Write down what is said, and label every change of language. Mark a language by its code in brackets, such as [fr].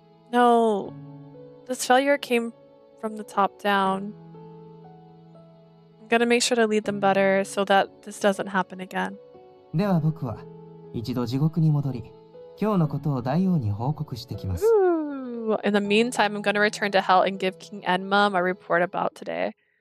[en] No, this failure came from the top down. I'm gonna make sure to lead them better so that this doesn't happen again. [ja] では僕は一度地獄に戻り、今日のことを大王に報告してきます。 [en] In the meantime, I'm gonna return to hell and give King Enma my report about today.